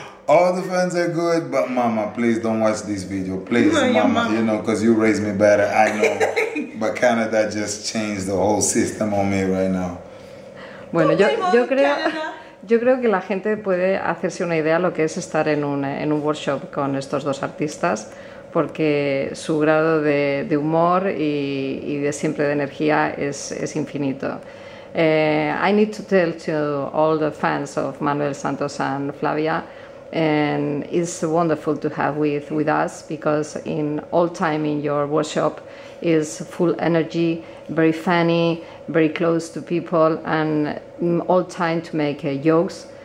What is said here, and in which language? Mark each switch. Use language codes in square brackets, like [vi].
[en] All the fans are good, but mama, please don't watch this video. Please, mama, you know, because you raised me better, I know. But Canada just changed the whole system on me right now. [es] Bueno, yo creo que la gente puede hacerse una idea de lo que es estar en un workshop con estos dos artistas, porque su grado de humor y de siempre de energía es infinito. [en] I need to tell to all the fans of Manuel Santos and Flavia, and it's wonderful to have with us, because in all time in your workshop is full energy, very funny, very close to people, and all time to make jokes.